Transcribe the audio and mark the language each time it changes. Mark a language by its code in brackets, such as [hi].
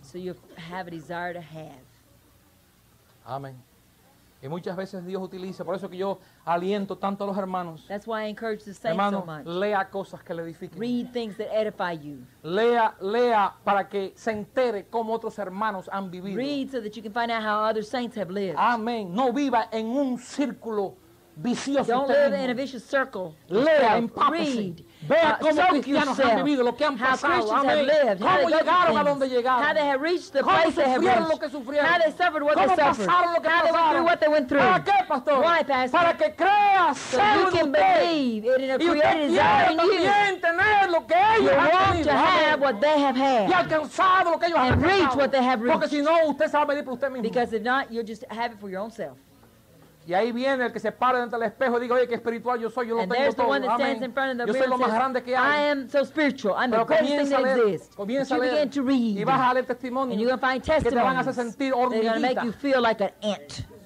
[en] So you have a desire to have. [es] Amén. Y muchas veces Dios utiliza, por eso que yo aliento tanto a los hermanos. [en] That's why I encourage the saints [es] hermanos, [en] so much. [es] Lea cosas que le edifiquen. [en] Read things that edify you. [es] Lea para que se entere cómo otros hermanos han vivido. [en] Read so that you can find out how other saints have lived. [es] Amén. No viva en un círculo vicioso. [en] Don't live in a vicious circle. [es] Lea, [en] read. [es] Vea cómo cristianos han vivido, lo que han pasado. [en] How Christians have lived. [es] Cómo llegaron a donde llegaron. [en] How they have reached the place they have reached. [es] Lo que sufrieron. [en] How they suffered what they suffered. [es] Lo que [en] how they went through what they went through. [es] ¿Para qué, pastor? [en] Why, pastor? [es] Para que creas. [en] So you can believe it in a creator in you. [es] Y tener lo que ellos [en] you want to have what they have had. [es] Y alcanzado lo que ellos [en] and reach what they have reached. [es] Porque si no, usted se va a medir por usted mismo. [en] Because if not, you'll just have it for your own self. [es] Y ahí viene el que se para dentro del espejo y diga, oye, qué espiritual yo soy, yo lo [en] and [es] tengo todo. [en] The one that [es] Amén. [en] In the [es] yo soy lo más grande que hay. [en] I am so spiritual. I'm [es] pero [en] the greatest thing that exists. [es] Comienza a leer. [en] Begin to read. [es] Y vas a leer testimonios. [en] And you're going to find testimonies. [es] Que te van a hacer sentir hormiguita. [en] They're going to make you feel like an ant.